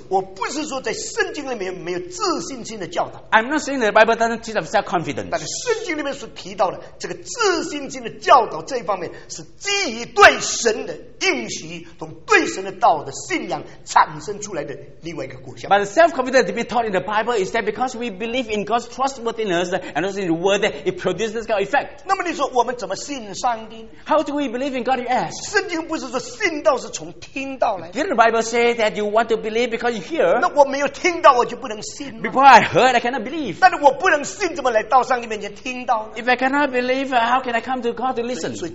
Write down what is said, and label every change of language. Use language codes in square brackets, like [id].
[zh] 我不是说在圣经里面没有自信心的教导, [en] I'm not saying the Bible doesn't teach of self-confidence. [zh] 但是圣经里面所提到的 这个自信心的教导这一方面是基于对神的应许从对神的道的信仰产生出来的另外一个果效。 [en] But the self-confidence to be taught in the Bible is that because we believe in God's trustworthiness and also in the word, that it produces this kind of effect. [zh] 那么你说我们怎么信上帝? [en] How do we believe in God, you ask? [zh] 圣经不是说信道是从听到来的? [en] Didn't the Bible say that you want to believe because you hear? [zh] 那我没有听到我就不能信? [en] Before I heard, I cannot believe. [zh] 但是我不能信怎么来到上帝面前听到呢? [en] If I cannot believe, how can I come to God to listen?